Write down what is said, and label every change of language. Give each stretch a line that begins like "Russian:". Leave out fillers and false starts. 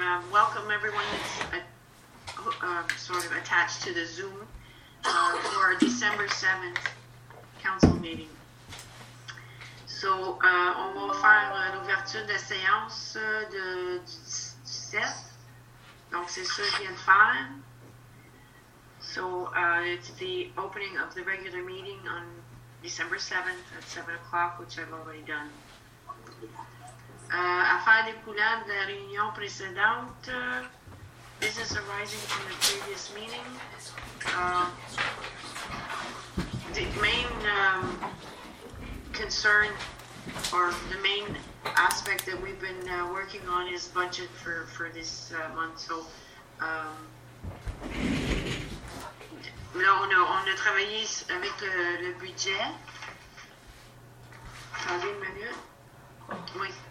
English: Welcome everyone that's sort of attached to the Zoom for our December 7th council meeting.
French: So, on va faire l'ouverture de séance du 7. Donc, c'est ça que je viens de faire.
English: So, it's the opening of the regular meeting on December 7th at 7 o'clock, which I've already done.
French: Affaire découlant de la réunion précédente,
English: business arising from the previous meeting. The main concern or the main aspect that we've been working on is budget for this month.
French: So, là, on a travaillé avec le budget. Attendez une minute. Oui.